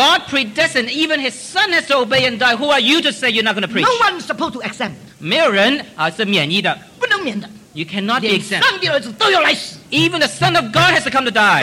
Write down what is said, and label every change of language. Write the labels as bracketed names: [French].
[English] God predestined, even his son has to obey and die. Who are you to say you're not going to preach? No one's supposed to exempt. [Chinese] 没有人是免疫的。不能免的。 [English] You cannot be exempt. Even the Son of God has to come to die.